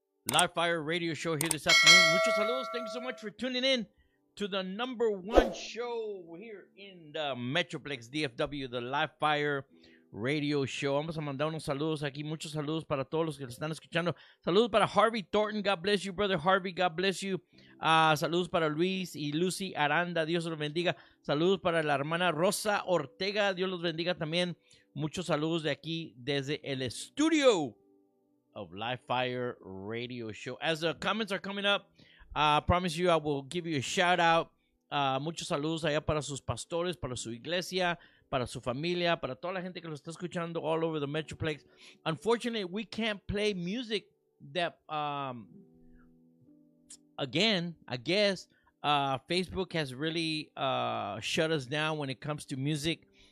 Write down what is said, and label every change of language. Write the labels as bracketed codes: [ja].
[en] Live Fire Radio Show here this afternoon. [es] Muchos saludos. [en] Thank you so much for tuning in to the number one show here in the Metroplex DFW, the Live Fire Radio Show. [es] Vamos a mandar unos saludos aquí. Muchos saludos para todos los que están escuchando. Saludos para Harvey Thornton. [en] God bless you, brother Harvey. God bless you. [es] Saludos para Luis y Lucy Aranda. Dios los bendiga. Saludos para la hermana Rosa Ortega. Dios los bendiga también. Muchos saludos de aquí desde el estudio of Live Fire Radio Show. [en] As the comments are coming up, I promise you I will give you a shout out. [es] Muchos saludos allá para sus pastores, para su iglesia, para su familia, para toda la gente que lo está escuchando [en] all over the Metroplex. Unfortunately, we can't play music that, Facebook has really shut us down when it comes to music.